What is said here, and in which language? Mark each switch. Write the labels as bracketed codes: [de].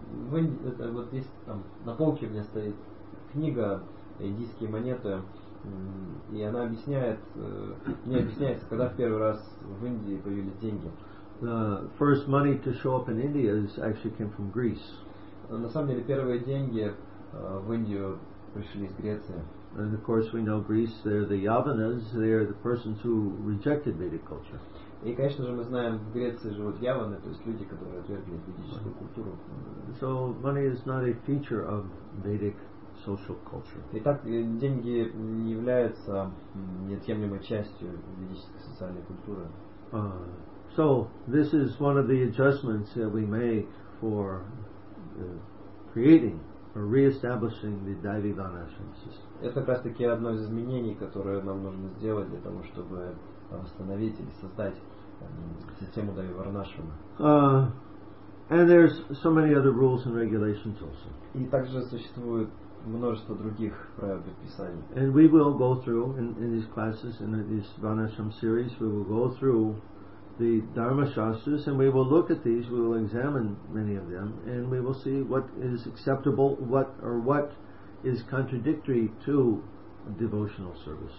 [ru] Вот здесь там на полке у меня стоит книга «Индийские монеты», и она объясняет, мне объясняется, когда в первый раз в Индии появились деньги. [en] The first money to show up in India actually came from Greece. [ru] На самом деле первые деньги в Индию пришли из Греции. [en] And of course we know Greece, they're the Yavanas, they're the persons who rejected Vedic culture. [ru] И, конечно же, мы знаем, в Греции живут Яваны, то есть люди, которые отвергли ведическую культуру. [en] So money is not a feature of Vedic social culture. [ru] Итак, деньги не являются неотъемлемой частью ведической социальной культуры. [en] So this is one of the adjustments that we make for creating or re-establishing the Daivi Dhanashram system. [ru] Это как раз таки одно из изменений, которое нам нужно сделать для того, чтобы восстановить или создать систему Daivi Dhanashram. [en] And there's so many other rules and regulations also. [ru] И также существует множество других правил предписаний. [en] And we will go through in these classes, in this Dhanashram series, we will go through the Dharma Shastras, and we will look at these, we will examine many of them, and we will see what is acceptable, what is contradictory to devotional service.